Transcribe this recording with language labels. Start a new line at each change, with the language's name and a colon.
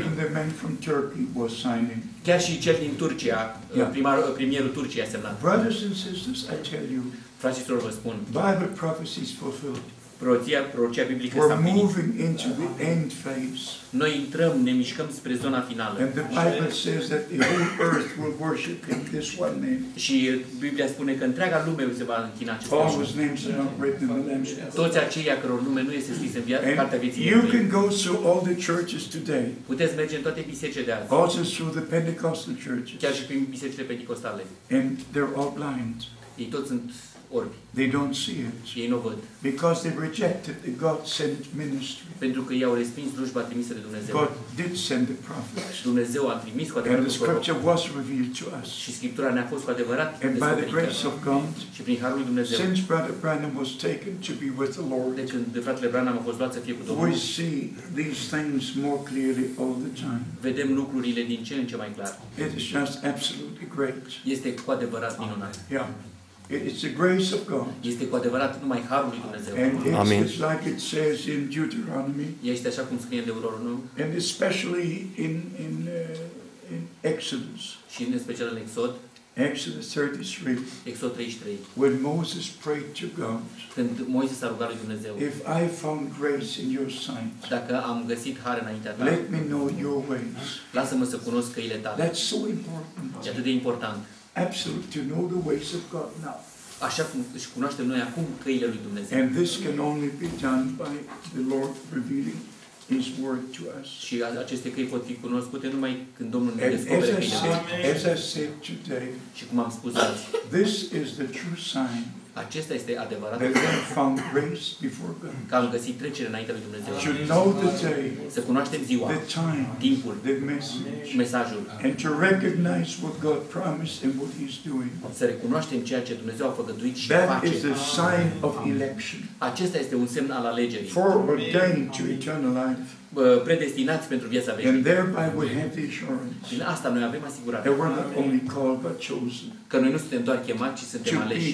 English: Even the man from Turkey was signing.
Romanian: Chiar și cel din Turcia, premierul Turciei a semnat.
English: Brothers and sisters, I tell you.
Romanian: Fraților, vă spun.
English: Bible prophecy is fulfilled.
Romanian: Prorocia biblică s-a împlinit.
English: We're moving into the end phase.
Romanian: Noi intrăm, ne mișcăm spre zona finală.
English: And the Bible says that the whole earth will worship in this one name.
Romanian: Și Biblia spune că întreaga lume se va închina acestui.
English: All whose names are not written in the Lamb's book.
Romanian: Toți aceia căror nume nu este scris în cartea vieții.
English: You can go through all the churches today.
Romanian: Puteți merge în toate bisericile de azi.
English: Also through the Pentecostal churches.
Romanian: Chiar și prin bisericile pentecostale.
English: And they're all blind.
Romanian: Ei toți sunt orbi.
English: They don't see it.
Romanian: Și ei nu văd.
English: Because they rejected the God-sent ministry.
Romanian: Pentru că i-au respins slujba trimisă de Dumnezeu.
English: God did send the prophets.
Romanian: Dumnezeu a trimis cu adevărat.
English: And the scripture was revealed to us.
Romanian: Și Scriptura ne-a fost cu adevărat descoperită.
English: By the grace of God.
Romanian: Și prin harul lui Dumnezeu.
English: Since Brother Branham was taken to be with the Lord.
Romanian: De când de fratele Branham a fost luat să fie cu Domnul.
English: We see these things more clearly all the time.
Romanian: Vedem lucrurile din ce în ce mai clar.
English: It is just absolutely great.
Romanian: Este cu adevărat minunat.
English: Yeah. It's the grace of God.
Romanian: Este cu adevărat numai harul lui Dumnezeu.
English: And it's like it says in Deuteronomy.
Romanian: Este așa cum scrie în Deuteronom.
English: And especially in Exodus.
Romanian: Și în special în Exod.
English: Exodus 33.
Romanian: Exod 33.
English: When Moses prayed to God.
Romanian: Când Moise s-a rugat lui Dumnezeu.
English: If I found grace in your sight.
Romanian: Dacă am găsit har înaintea ta.
English: Let me know your ways.
Romanian: Lasă-mă să cunosc căile tale.
English: That's so important.
Romanian: E atât de important.
English: Absolutely to know the ways of God now.
Romanian: Așa cum își cunoaștem noi acum căile lui Dumnezeu.
English: And this can only be done by the Lord revealing His word to us.
Romanian: Și aceste căi pot fi cunoscute numai când Domnul ne descoperă căile.
English: As I said today.
Romanian: Și cum am spus azi.
English: This is the true sign.
Romanian: Acesta este adevărat.
English: Found grace before God.
Romanian: Că am găsit trecere înainte lui Dumnezeu.
English: To know the day.
Romanian: Să cunoaștem ziua.
English: The time.
Romanian: Timpul.
English: The message.
Romanian: Mesajul.
English: And to recognize what God promised and what He's doing.
Romanian: Să recunoaștem ceea ce Dumnezeu a făgăduit și
English: that
Romanian: face.
English: That is the sign of election.
Romanian: Acesta este un semn al alegerii.
English: Foreordained to eternal life.
Romanian: Predestinați pentru viața veșnică.
English: And thereby we have the assurance.
Romanian: Din asta noi avem asigurare.
English: That we're not only called but chosen.
Romanian: Că noi nu suntem doar chemați, ci suntem aleși.